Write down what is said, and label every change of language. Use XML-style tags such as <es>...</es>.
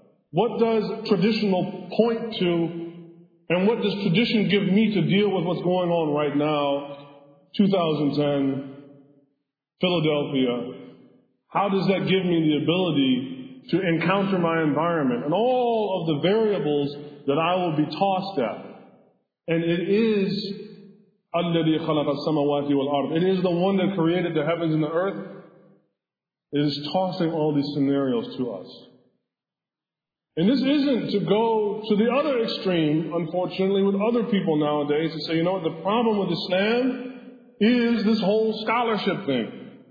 <en>What does traditional point to? And what does tradition give me to deal with what's going on right now, 2010, Philadelphia? How does that give me the ability to encounter my environment and all of the variables that I will be tossed at? And it is</en> <ar>الَّذِي خَلَقَ السَّمَوَاتِ وَالْأَرْضِ.</ar> <en>It is the one that created the heavens and the earth. It is tossing all these scenarios to us. And this isn't to go to the other extreme, unfortunately, with other people nowadays to say, you know what, the problem with Islam is this whole scholarship thing.</en>